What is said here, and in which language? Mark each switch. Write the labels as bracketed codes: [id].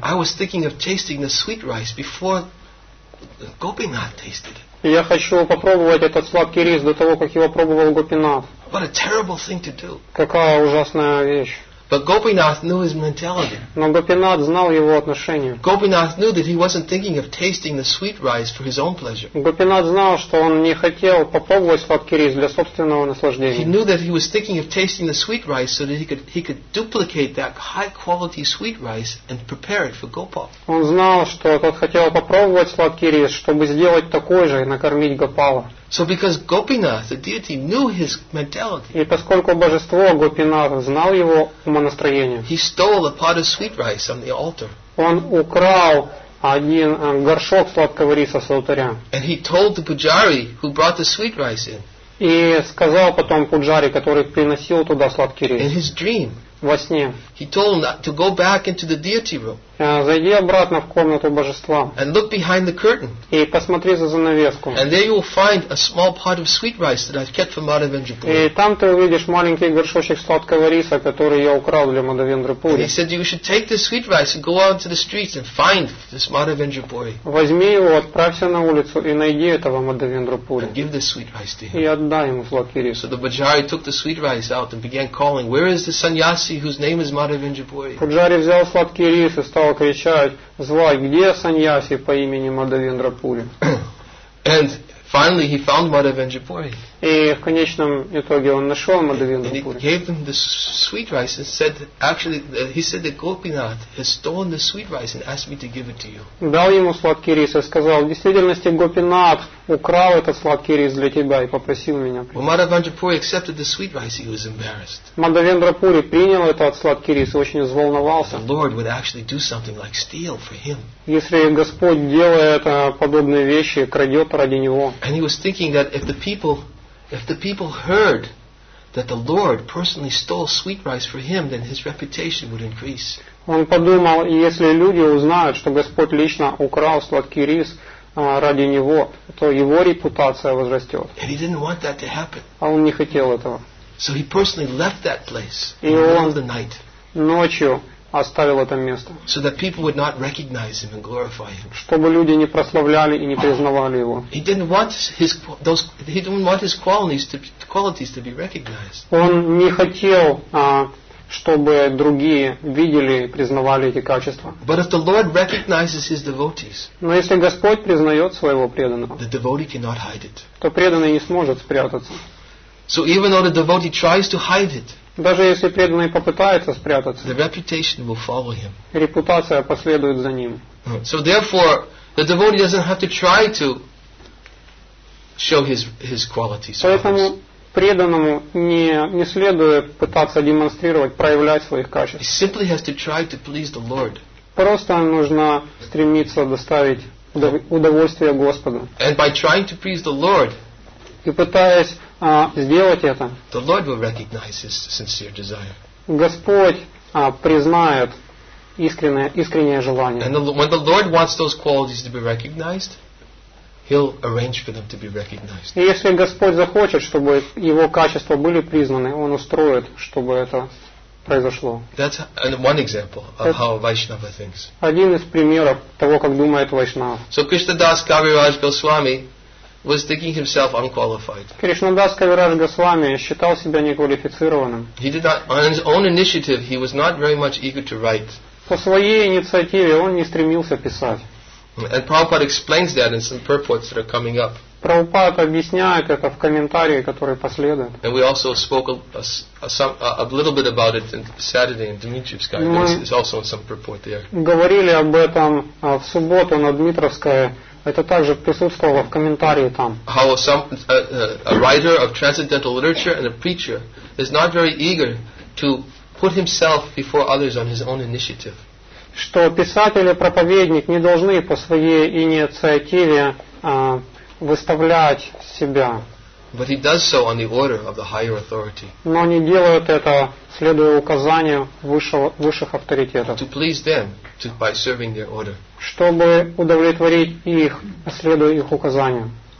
[en] I was thinking of tasting the sweet rice before Gopinath tasted it. [ru] Я хочу попробовать этот сладкий рис до того, как его пробовал Гопинат. [en] What a terrible thing to do. [ru] Какая ужасная вещь. [en] But Gopinath knew his mentality. [ru] Но Гопинат знал его отношение. [en] Gopinath knew that he wasn't thinking of tasting the sweet rice for his own pleasure. [ru] Гопинат знал, что он не хотел попробовать сладкий рис для собственного наслаждения. [en] He knew that he was thinking of tasting the sweet rice so that he could duplicate that high quality sweet rice and prepare it for Gopal. [ru] Он знал, что тот хотел попробовать сладкий рис, чтобы сделать такой же и накормить Гопала. [en] So because Gopinath, the deity, knew his mentality. [ru] И поскольку божество Гопинатх знал его умонастроение. [en] He stole a pot of sweet rice on the altar. [ru] Он украл один горшок сладкого риса с алтаря. [en] And he told the pujari who brought the sweet rice in. [ru] И сказал потом пуджари, который приносил туда сладкий рис. [en] In his dream. [ru] Во сне. [en] He told him to go back into the deity room. [ru] Зайди обратно в комнату божества. [en] And look behind the curtain. [ru] И посмотри за занавеску. [en] And there you will find a small pot of sweet rice that I've kept for Madhavendra Puri. [ru] И там ты увидишь маленький горшочек сладкого риса, который я украл для Мадхавендры Пури. [en] He said you should take this sweet rice and go out into the streets and find this Madhavendra Puri. [ru] Возьми его, отправься на улицу и найди этого Мадхавендру Пури. [en] Give this sweet rice to him. [ru] И отдай ему сладкий рис. [en] So the pujari took the sweet rice out and began calling, "Where is the sannyasi whose name is Madhavendra Puri?" [ru] Пуджари взял сладкий рис и стал кричать, звать, где саньяси по имени Мадхавендра Пури. [en] And Finally, he found Madhavendrapuri. [ru] И в конечном итоге он нашел Мадхавендрапури. [en] And he gave him the sweet rice and said, actually, he said that Gopinath has stolen the sweet rice and asked me to give it to you. [ru] Дал ему сладкий рис и сказал, в действительности Гопинат украл этот сладкий рис для тебя и попросил меня. [en] Well, Madhavendrapuri accepted the sweet rice. He was embarrassed. [ru] Мадхавендрапури принял этот сладкий рис и очень взволновался. [en] The Lord would actually do something like steal for him. [ru] Если Господь делает подобные вещи, крадет ради него. [en] And he was thinking that if the people heard that the Lord personally stole sweet rice for him, then his reputation would increase. [ru] Он подумал, если люди узнают, что Господь лично украл сладкий рис ради него, то его репутация возрастет. [en] And he didn't want that to happen. [ru] А он не хотел этого. [en] So he personally left that place in the middle of the night. [ru] Ночью оставил это место. [en] So that people would not recognize him and glorify him. [ru] Чтобы люди не прославляли и не признавали его. [en] He didn't want his qualities to be recognized. [ru] Он не хотел, чтобы другие видели и признавали эти качества. [en] But if the Lord recognizes his devotees, [ru] но если Господь признает своего преданного, [en] the devotee cannot hide it. [ru] То преданный не сможет спрятаться. [en] So even though the devotee tries to hide it, [ru] даже если преданный попытается спрятаться, [en] the reputation will follow him. [ru] Репутация последует за ним. [en] So therefore, the devotee doesn't have to try to show his qualities. [ru] Поэтому преданному не следует пытаться демонстрировать, проявлять своих качеств. [en] He simply has to try to please the Lord. [ru] Просто нужно стремиться доставить удовольствие Господу. [en] And by trying to please the Lord, [ru] и пытаясь сделать это, [en] the Lord will recognize his sincere desire. [ru] Господь признает искреннее желание. [en] And when the Lord wants those qualities to be recognized, he'll arrange for them to be recognized. [ru] И если Господь захочет, чтобы его качества были признаны, он устроит, чтобы это произошло. [en] That's one example of how Vaishnava thinks. [ru] Один из примеров того, как думает Вайшнава. [en] So Krishnadas Kaviraj Goswami was thinking himself unqualified. [ru] Кришнадас Кавираж Госвами считал себя неквалифицированным. [en] He did not, on his own initiative, he was not very much eager to write. [ru] По своей инициативе он не стремился писать. [en] And Prabhupada explains that in some purports that are coming up. [ru] Прабхупад объясняет это в комментарии, который последует. [en] And we also spoke a little bit about it on Saturday in Dmitriev's guide. It's also in some purport there. [ru] Говорили об этом в субботу на Дмитровской. Это также присутствовало в комментарии там. [en] How some a writer of transcendental literature and a preacher is not very eager to put himself before others on his own initiative. [ru] Что писатель и проповедник не должны по своей инициативе выставлять себя. [en] But he does so on the order of the higher authority. [ru] Но они делают это, следуя указанию высших авторитетов. [en] To please them, by serving their order. [ru] Чтобы удовлетворить их, следуя их указаниям.